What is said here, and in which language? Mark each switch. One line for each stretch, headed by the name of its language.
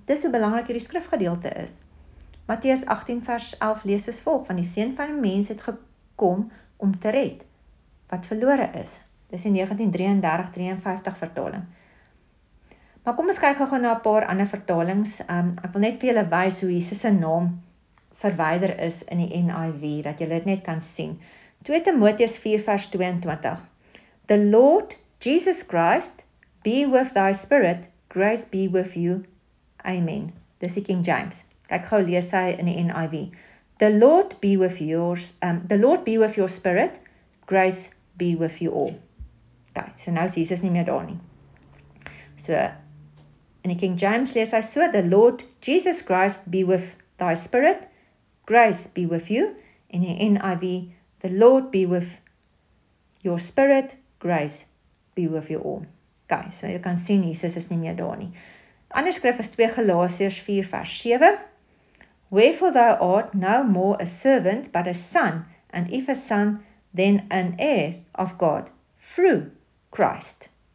Afrikaans: Dis hoe belangrik hierdie skrifgedeelte is. Matteus 18 vers 11 lees soos volg, van die seun van die mens het gekom om te red wat verlore is. Dis die 1933-53 vertaling. Maar kom ons kyk gou-gou na 'n paar ander vertalings. Ek wil net vir julle wys hoe Jesus se naam verwyder is in die NIV, dat julle dit net kan sien. 2 Timoteus 4 vers 22.
English: The Lord Jesus Christ be with thy spirit, grace be with you. Amen.
Afrikaans: Dis die King James. Kyk gou lees hy in die NIV.
English: The Lord be with yours, the Lord be with your spirit, grace be with you all.
Afrikaans: Okay, so nou is Jesus nie meer daar nie. So, in die King James lees hy so,
English: the Lord Jesus Christ be with thy spirit, grace be with you.
Afrikaans: In die NIV,
English: the Lord be with your spirit, grace be with you all.
Afrikaans: Okay, so jy kan sien, Jesus is nie meer daar nie. Ander skrif is 2 Galasiërs 4 vers 7.
English: Wherefore thou art no more a servant, but a son, and if a son, then an heir of God, through Christ.